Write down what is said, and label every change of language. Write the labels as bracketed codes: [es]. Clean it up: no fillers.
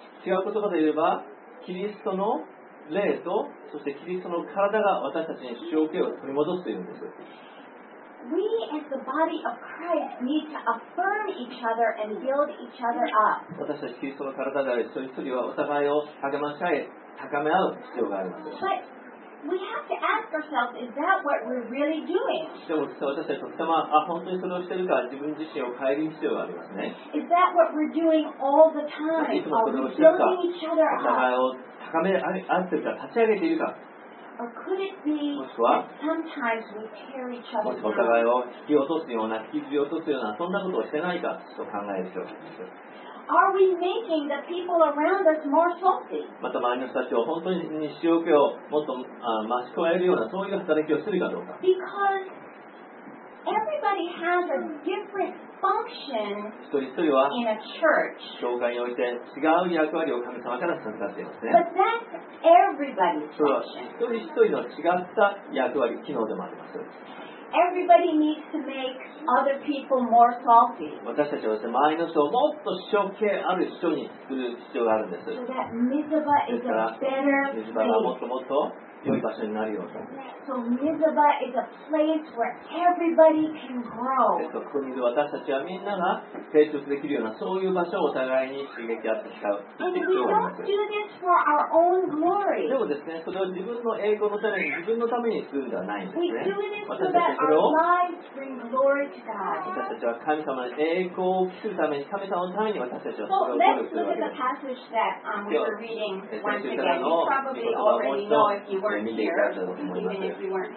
[ja] 違う言葉で言えば、キリストの霊と、そしてキリストの体が私たちに塩気を取り戻すというんです。 [en] We as the body of Christ need to affirm each other and build each other up. [ja] 私たちキリストの体である一人一人はお互いを励まし合い、高め合う必要があります。 [en] But we have to ask ourselves, is that what we're really doing? [ja] でも私たちとても、本当にそれをしているか、自分自身を変える必要がありますね。 [en] Is that what we're doing all the time? [ja] いつもそれをしているか、お互いを高め合っているか、立ち上げているか。 [en] Or could it be sometimes we tear each other down? [ja] もしお互いを引き落とすような、引きずり落とすような、そんなことをしてないかと考える人です。 [en] Are we making the people around us more salty? [ja] また周りの人たちを本当に塩気をもっと増し加えるような、そういう働きをするかどうか。 [en] Because everybody has a different function in a church. [ja] 一人一人は、教会において違う役割を神様から授かっていますね。 [en] But that's everybody's function. [ja] それは一人一人の違った役割、機能でもあります。 [en] Everybody needs to make other people more salty. [ja] 私たちはですね、周りの人をもっと塩気ある人にする必要があるんです。 [en] So that Mizpah is a better place. [ja] もっともっと良い場所になるように。 [en] So Mizpah is a place where everybody can grow. [ja] ここにいる私たちはみんなが成長できるような、そういう場所をお互いに刺激合って使う。 [en] And we don't do this for our own glory. [ja] でもですね、それを自分の栄光のために、自分のためにするんではないんですね。 [en] We do this so that our lives bring glory to God. [ja] 私たちは神様の栄光を聞くために、神様のために私たちはそれを行うというわけです。 [en] So let's look at the passage that we were reading once again. You probably already know if you weren't here.